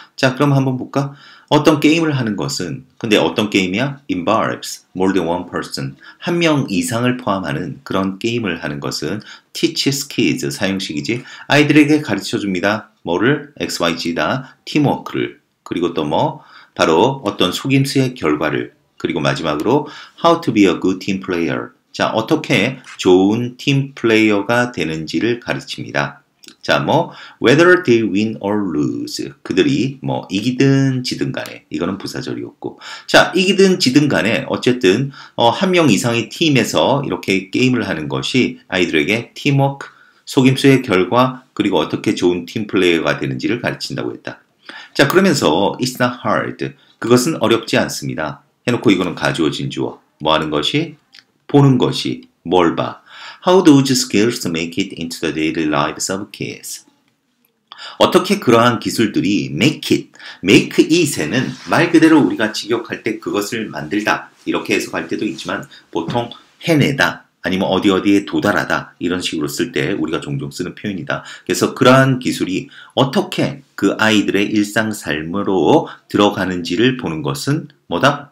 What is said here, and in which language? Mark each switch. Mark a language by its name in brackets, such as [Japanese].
[Korean] 자, 그럼 한번 볼까? 어떤 게임을 하는 것은, 근데 어떤 게임이야? [English] involves more than one person, [Korean] 한 명 이상을 포함하는 그런 게임을 하는 것은 [English] teaches kids [Korean] 사용식이지. 아이들에게 가르쳐줍니다. 뭐를? XYZ다. 팀워크를. 그리고 또 뭐? 바로 어떤 속임수의 결과를. 그리고 마지막으로 [English] how to be a good team player. [Korean] 자, 어떻게 좋은 팀 플레이어가 되는지를 가르칩니다. 자, 뭐 [English] whether they win or lose. [Korean] 그들이 뭐 이기든 지든 간에, 이거는 부사절이었고. 자, 이기든 지든 간에 어쨌든 한 명 이상의 팀에서 이렇게 게임을 하는 것이 아이들에게 팀워크, 속임수의 결과, 그리고 어떻게 좋은 팀 플레이어가 되는지를 가르친다고 했다. 자, 그러면서 [English] it's not hard. [Korean] 그것은 어렵지 않습니다. 해놓고 이거는 가주어 진주어. 뭐 하는 것이? 보는 것이. 뭘 봐? [English] How those skills make it into the daily lives of kids? [Korean] 어떻게 그러한 기술들이 make it, make it에는 말 그대로 우리가 직역할 때 그것을 만들다 이렇게 해석할 때도 있지만 보통 해내다 아니면 어디 어디에 도달하다 이런 식으로 쓸 때 우리가 종종 쓰는 표현이다. 그래서 그러한 기술이 어떻게 그 아이들의 일상 삶으로 들어가는지를 보는 것은 뭐다?